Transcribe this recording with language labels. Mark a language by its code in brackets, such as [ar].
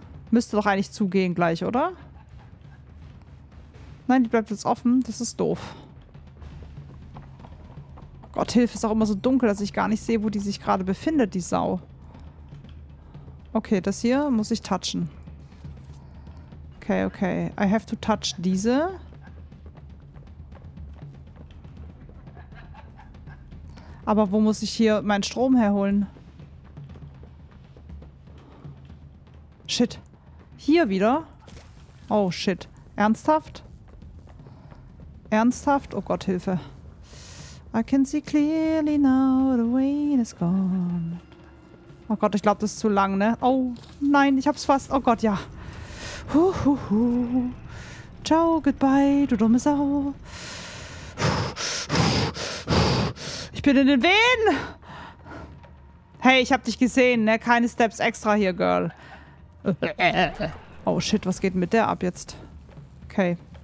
[de] Müsste doch eigentlich zugehen gleich, oder? Nein, die bleibt jetzt offen. Das ist doof. Gott, hilf, ist auch immer so dunkel, dass ich gar nicht sehe, wo die sich gerade befindet, die Sau. Okay, das hier muss ich touchen. [en] Okay, okay. I have to touch diese. [de] Aber wo muss ich hier meinen Strom herholen? Shit. Hier wieder? Oh, shit. Ernsthaft? Ernsthaft? Oh Gott, Hilfe. [en] I can see clearly now the way it is gone. [de] Oh Gott, ich glaube, das ist zu lang, ne? Oh, nein, ich hab's fast. Oh Gott, ja. Huhuhu. Ciao, goodbye, du dumme Sau. Ich bin in den Wehen. Hey, ich hab dich gesehen, ne? Keine Steps extra hier, Girl. Oh shit, was geht mit der ab jetzt? Okay.